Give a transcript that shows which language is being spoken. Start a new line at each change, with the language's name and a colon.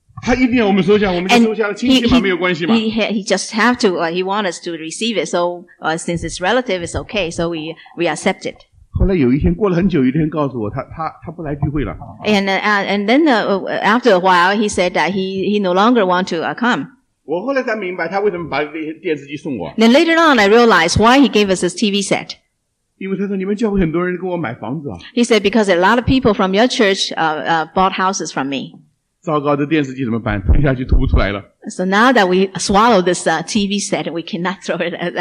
Chinese: 他一定要我们收下,我们就收下,亲戚嘛没有关系嘛。
English: He just have to, he want us to receive it, so since it's relative, it's okay, so we accept it.
Chinese: 后来有一天过了很久，一天告诉我他不来聚会了。
English: And then after a while he said that he no longer want to come.
Chinese: 我后来才明白他为什么把电视机送我。
English: Then later on I realized why he gave us his TV set.
Chinese: 因为他说你们教会很多人跟我买房子啊。
English: He said because a lot of people from your church bought houses from me.
Chinese: 糟糕，这电视机怎么办？吞下去吐不出来了。
English: So now that we swallow this TV set, we cannot throw it.